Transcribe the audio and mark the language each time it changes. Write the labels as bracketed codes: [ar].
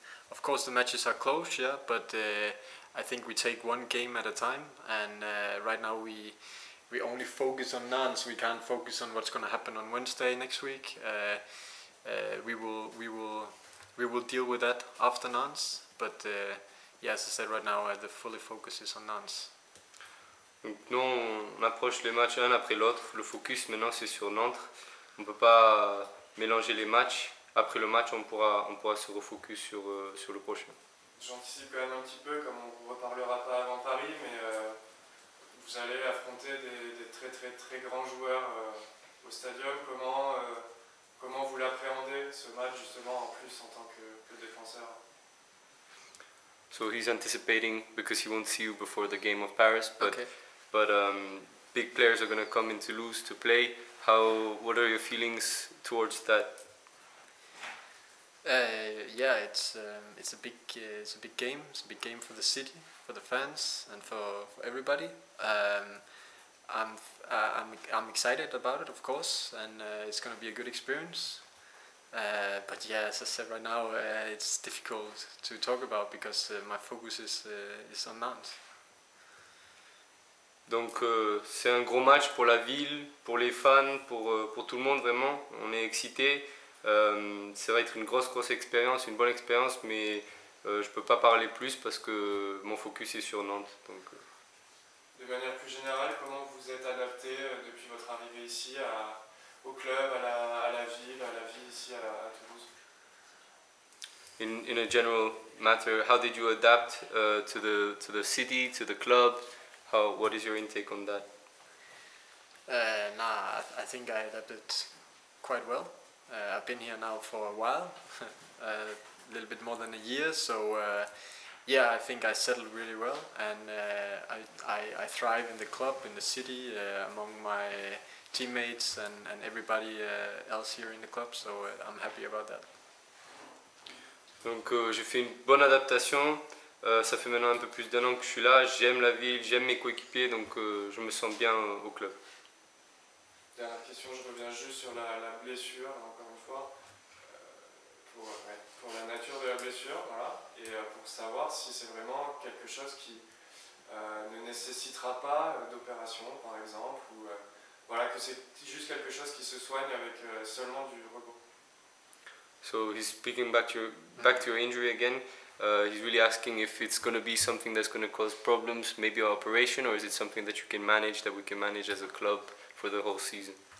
[en] Of course, the matches are close, yeah, but. I think we take one game at a time, and right now we only focus on Nantes. We can't focus on what's going to happen on Wednesday next week. We will deal with that after Nantes. But as I said, right now the fully focus is on Nantes. [fr] Donc nous, on approche les matchs un après l'autre. Le focus maintenant c'est sur Nantes. On peut pas mélanger les matchs. Après le match, on pourra se refocus sur le prochain. J'anticipe quand même un petit peu, comme on ne reparlera pas avant Paris, mais vous allez affronter des très très très grands joueurs au stadium. Comment vous l'appréhendez ce match justement en plus en tant que défenseur? [en] So he's anticipating because he won't see you before the game of Paris, but okay. But big players are going to come in Toulouse to play. What are your feelings towards that? It's a big game for the city, for the fans, and for everybody. I'm excited about it, of course, and it's going to be a good experience. But yeah, as I said right now, it's difficult to talk about because my focus is on Nantes. [fr] Donc c'est un gros match pour la ville, pour les fans, pour tout le monde vraiment. On est excité. Ça va être une grosse expérience, une bonne expérience, mais je peux pas parler plus parce que mon focus est sur Nantes. Donc. De manière plus générale, comment vous êtes adapté depuis votre arrivée ici à au club, à la ville, à la vie ici à Toulouse? [en] In a general matter, how did you adapt to the city, to the club? What is your intake on that? I think I adapted quite well. I've been here now for a while, a little bit more than a year. So yeah, I think I settled really well, and I thrive in the club, in the city, among my teammates and everybody else here in the club. So I'm happy about that. [fr] Donc j'ai fait une bonne adaptation. Ça fait maintenant un peu plus d'un an que je suis là, j'aime la ville, j'aime mes coéquipiers, donc je me sens bien au club. Dernière question, je reviens juste sur la blessure, encore une fois, pour la nature de la blessure, voilà, et pour savoir si c'est vraiment quelque chose qui ne nécessitera pas d'opération, par exemple, ou voilà, que c'est juste quelque chose qui se soigne avec seulement du repos. [en] So he's speaking back to your injury again. He's really asking if it's going to be something that's going to cause problems, maybe an operation, or is it something that you can manage, that we can manage as a club for the whole season?